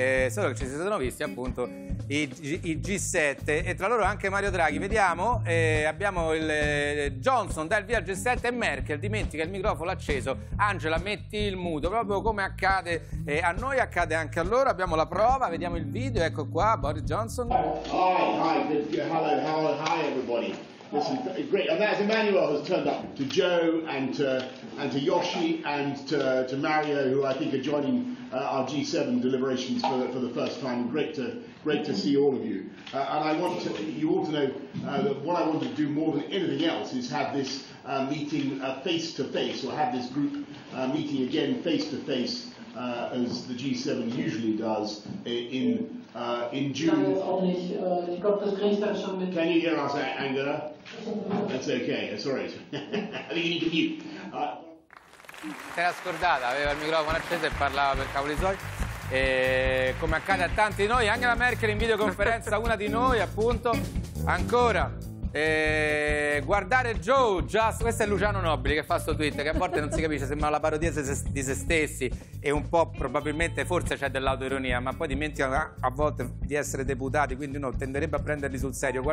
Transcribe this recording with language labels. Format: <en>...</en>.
<it>Solo che ci si sono visti appunto i G7 e tra loro anche Mario Draghi. Vediamo, abbiamo il Johnson dal via al G7 e Merkel dimentica il microfono acceso. Angela, metti il muto, proprio come accade a noi, accade anche a loro. Abbiamo la prova, vediamo il video, ecco qua Boris Johnson.</it> <en>Hi everybody. This is great. And there's Emmanuel who's turned up to Joe and to Yoshi and to Mario, who I think are joining our G7 deliberations for the first time. Great to see all of you. And I want you all to know that what I want to do more than anything else is have this meeting face to face, or have this group meeting again face to face, as the G7 usually does in in June. Can you hear us, Angela? That's okay, that's all right. I think you need to mute.</en> <it>Era scordata, aveva il microfono acceso e parlava per cavoli suoi. E come accade a tanti di noi, Angela Merkel in videoconferenza, una di noi appunto. Ancora guardare Joe, just, questo è Luciano Nobili che fa sto tweet, che a volte non si capisce, sembra la parodia di se stessi e un po' probabilmente forse c'è dell'autoironia, ma poi dimenticano a volte di essere deputati, quindi uno tenderebbe a prenderli sul serio.</it>